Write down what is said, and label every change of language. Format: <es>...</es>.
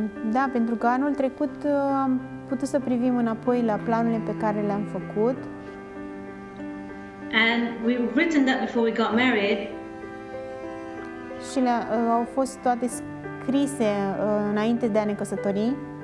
<ro>Da, pentru că anul trecut am putut să privim înapoi la planurile pe care le-am făcut.</ro> <en>And we've written that before we got married.</en> <ro>Și au fost toate scrise înainte de a ne căsători.</ro>